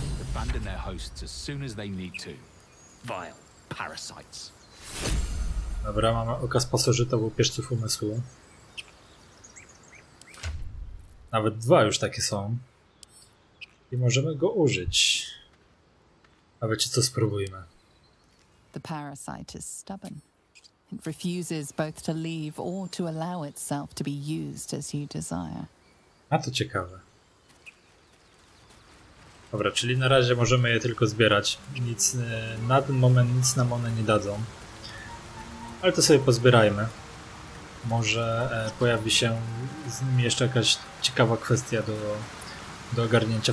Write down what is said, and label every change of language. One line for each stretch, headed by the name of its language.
English: Abandon their hosts as soon as they need to. Vile parasites.
Polish: Dobra, mamy okaz pasożyta u pieszców umysłu. Nawet dwa już takie są. I możemy go użyć. A wiecie co, spróbujmy.
English: The parasite is stubborn. It refuses both to leave or to allow itself to be used as you desire.
Polish: A to ciekawe. Dobra, czyli na razie możemy je tylko zbierać. Nic na ten moment nic nam one nie dadzą. Ale to sobie pozbierajmy. Może pojawi się z nimi jeszcze jakaś ciekawa kwestia do ogarnięcia.